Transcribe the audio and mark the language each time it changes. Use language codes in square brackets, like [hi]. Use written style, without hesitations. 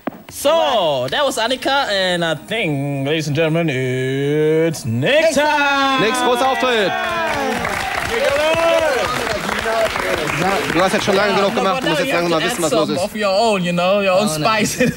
[en] So, that was Annika, and I think, ladies and gentlemen, it's Nick time! [de] Nick's großer Auftritt! Du hast jetzt schon lange genug gemacht, du musst jetzt langsam mal wissen, was los ist. [en] Of your own, you know, your own spice.